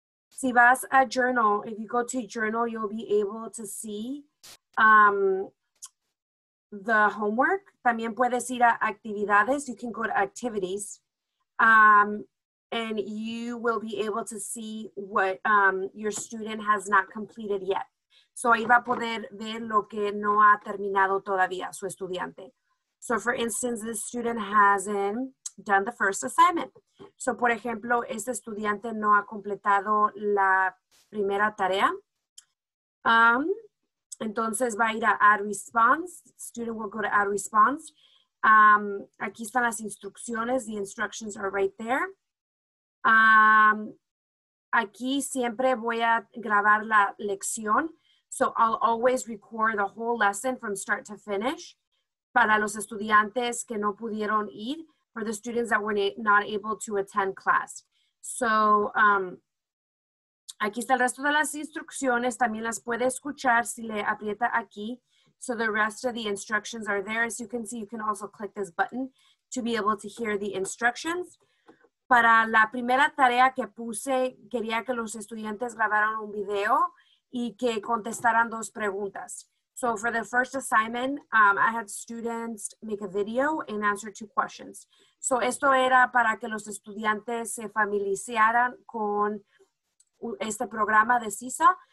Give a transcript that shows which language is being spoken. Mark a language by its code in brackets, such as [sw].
[es] Si vas a journal, [en] if you go to journal, you'll be able to see the homework. [es] También puedes ir a actividades. [en] You can go to activities. And you will be able to see what your student has not completed yet. [es] So ahí va a poder ver lo que no ha terminado todavía su estudiante. [en] So for instance, this student hasn't done the first assignment. [es] So, por ejemplo, este estudiante no ha completado la primera tarea. Entonces va a ir a Add Response. [en] Student will go to Add Response. [es] Aquí están las instrucciones. [en] The instructions are right there. [es] Aquí siempre voy a grabar la lección. [en] So, I'll always record the whole lesson from start to finish. [es] Para los estudiantes que no pudieron ir, [en] for the students that were not able to attend class. [es] So, aquí está el resto de las instrucciones. También las puede escuchar si le aprieta aquí. [en] So the rest of the instructions are there. As you can see, you can also click this button to be able to hear the instructions. [es] Para la primera tarea que puse, quería que los estudiantes grabaran un video y que contestaran dos preguntas. [en] So for the first assignment, I had students make a video and answer two questions. [es] So esto era para que los estudiantes se familiarizaran con este programa de Seesaw.